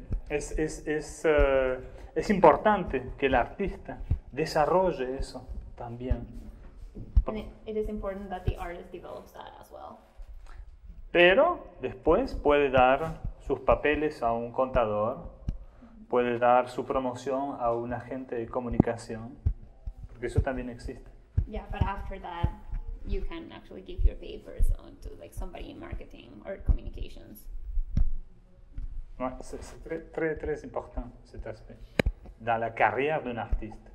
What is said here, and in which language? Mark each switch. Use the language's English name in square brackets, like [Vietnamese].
[Spanish] Es importante que el artista desarrolle eso también. [English] It is important that the artist develops that as well. [Spanish] Pero después puede dar sus papeles a un contador, puede dar su promoción a un agente de comunicación, porque eso también existe. [English] Yeah, but after that, you can actually give your papers on to like somebody in marketing or communications. [French] No, c'est très, très, très important cet aspect dans la carrière d'un artiste.